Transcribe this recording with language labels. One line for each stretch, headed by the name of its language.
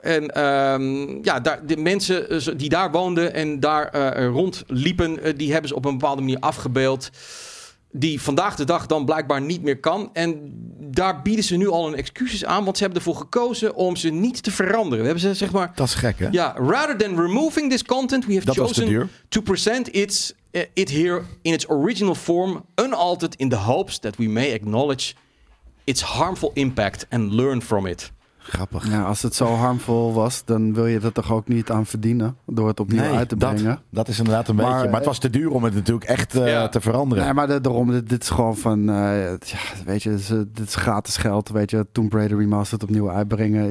Dutch: En de mensen die daar woonden en daar rondliepen, die hebben ze op een bepaalde manier afgebeeld. Die vandaag de dag dan blijkbaar niet meer kan. En daar bieden ze nu al een excuses aan, want ze hebben ervoor gekozen om ze niet te veranderen. We hebben ze zeg maar... Dat is gek, hè?
English: Ja, rather than removing this content, we have
Dutch: dat
English: chosen to present it here in its original form, unaltered in the hopes that we may acknowledge its harmful impact and learn from it.
Dutch: Grappig. Ja, als het zo harmful was, dan wil je er toch ook niet aan verdienen door het opnieuw uit te brengen. Dat is inderdaad een beetje. Maar het was te duur om het natuurlijk echt te veranderen. Nee, maar dit is gewoon van, weet je, dit is gratis geld, weet je, Tomb Raider Remastered opnieuw uitbrengen.